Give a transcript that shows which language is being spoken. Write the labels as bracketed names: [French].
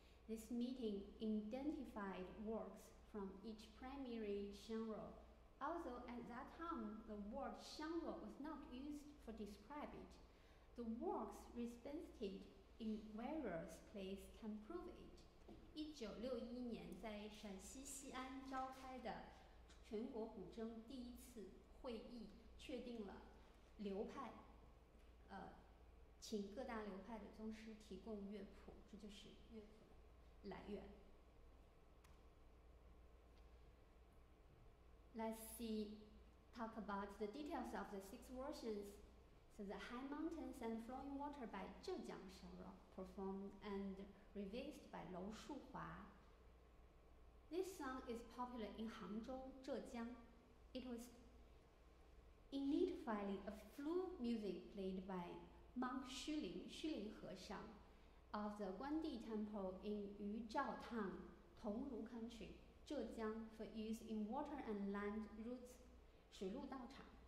[English] This meeting identified works from each primary genre. Although at that time the word genre was not used for describe it, the works represented in various places can prove it. [Chinese] 1961年在陕西西安召开的全国古筝第一次会议确定了流派，请各大流派的宗师提供乐谱，这就是乐谱的来源。 [English] Let's see, talk about the details of the six versions. So the High Mountains and Flowing Water by Zhejiang Shengrou, performed and revised by Lou Shuhua. This song is popular in Hangzhou, Zhejiang. It was initially a flute music played by Monk Xuling, Xuling He Shang, of the Guandi Temple in Yuzhao Town, Tonglu Country, Zhejiang, for use in water and land routes, 水路道场.